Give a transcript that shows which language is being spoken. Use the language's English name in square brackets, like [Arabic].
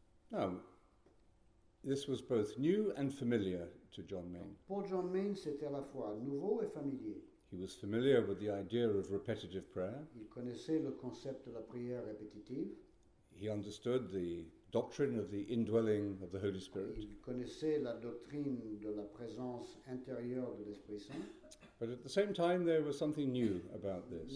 [English] Now, this was both new and familiar to John Maine. [French] Pour John Maine, c'était à la fois nouveau et familier. [English] He was familiar with the idea of repetitive prayer. [French] Il connaissait le concept de la prière répétitive. [English] He understood the doctrine of the indwelling of the Holy Spirit. [French] Il connaissait la doctrine de la présence intérieure de l'Esprit Saint. [English] But at the same time, there was something new about this.